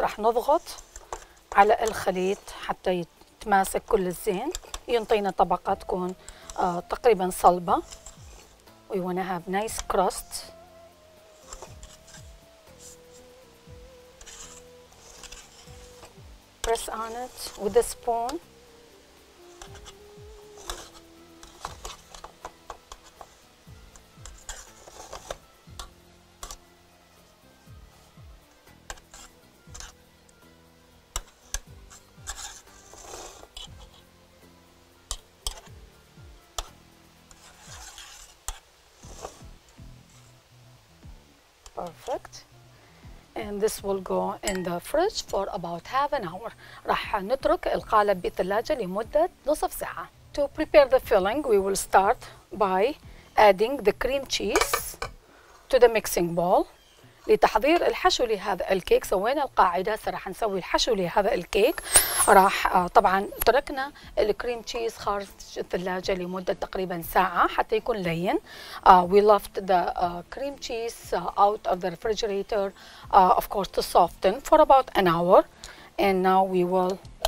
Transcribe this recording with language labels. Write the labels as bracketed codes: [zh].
[ar] راح نضغط على الخليط حتى يتماسك كل الزين. ينطينا طبقة تكون تقريبا صلبة. [en] We wanna have nice crust. Press on it with a spoon. Perfect. And this will go in the fridge for about half an hour. [ar] راح نترك القالب بالثلاجة لمدة نصف ساعة. [en] To prepare the filling, we will start by adding the cream cheese to the mixing bowl. [ar] لتحضير الحشو لهذا الكيك سوينا القاعدة سرح نسوي الحشو لهذا الكيك راح طبعا تركنا الكريم تشيز خارج الثلاجة لمدة تقريبا ساعة حتى يكون لين [en] we left the cream cheese out of the refrigerator of course to soften for about an hour and now we will